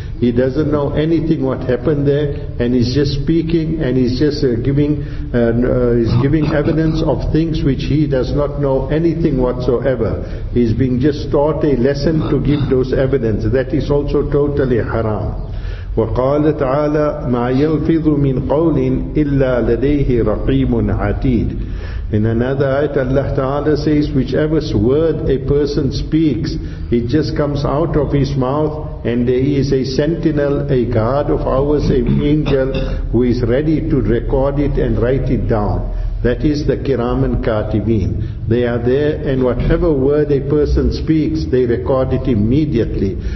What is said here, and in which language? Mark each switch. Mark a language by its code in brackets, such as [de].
[en] He doesn't know anything what happened there, and he's just speaking, and he's just giving evidence of things which he does not know anything whatsoever. He's being just taught a lesson to give those evidence. That is also totally haram. [ar] وقال تعالى ما يلفظ من قول إلا لديه رقيب عتيد. [en] In another ayat, Allah Ta'ala says, whichever word a person speaks, it just comes out of his mouth, and there is a sentinel, a guard of ours, an angel, who is ready to record it and write it down. That is the Kiraman Katibin. They are there, and whatever word a person speaks, they record it immediately.